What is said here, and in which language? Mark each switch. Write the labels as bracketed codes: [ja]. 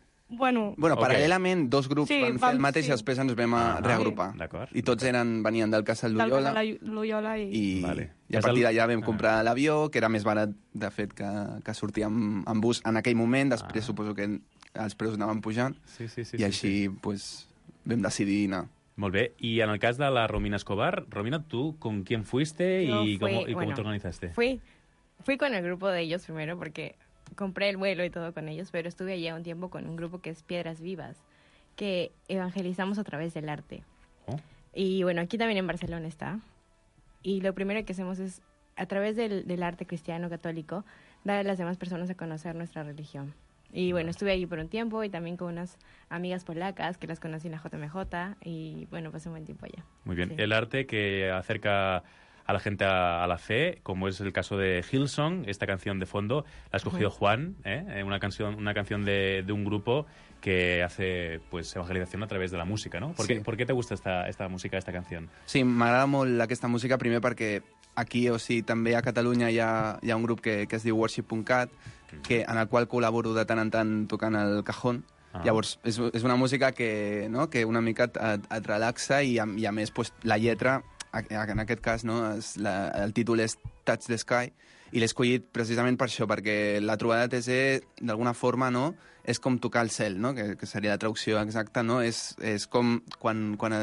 [ca] Bueno, paral·lelament, dos grups sí, van fer el mateix sí. I després ens vam reagrupar. Sí. D'acord. I tots eren, venien del Casal Loyola. I a partir d'allà vam comprar l'avió, que era més barat, de fet, que sortir amb bus en aquell moment. Després suposo que els preus anaven pujant. Sí. I així, pues, vam decidir anar. Molt bé. I en el cas de la Romina Escobar, Romina, tu, [es] ¿con quién fuiste y cómo te organizaste? Fui con el grupo de ellos primero porque compré el vuelo y todo con ellos, pero estuve allí un tiempo con un grupo que es Piedras Vivas, que evangelizamos a través del arte. Oh. Y bueno, aquí también en Barcelona está. Y lo primero que hacemos es, a través del arte cristiano católico, dar a las demás personas a conocer nuestra religión. Y bueno, estuve allí por un tiempo y también con unas amigas polacas que las conocí en la JMJ y bueno, pasé un buen tiempo allá. Muy bien. Sí. El arte que acerca a la gente a la fe, como es el caso de Hillsong, esta canción de fondo la ha escogido Juan, una canción de un grupo que hace pues evangelización a través de la música, ¿no? ¿Por qué te gusta esta música, esta canción? [ca] Sí, m'agrada molt aquesta música, primer perquè aquí o sigui, també a Catalunya hi ha un grup que es diu Worship.cat, que en el qual col·laboro de tant en tant tocant el cajón. Llavors, és una música que, no, que una mica et relaxa i a més pues, la lletra, en aquest cas, no, el títol és Touch the Sky, i l'he escollit precisament per això, perquè la trobada de TC, d'alguna forma, no, és com tocar el cel, no, que seria la traducció exacta, no, és com quan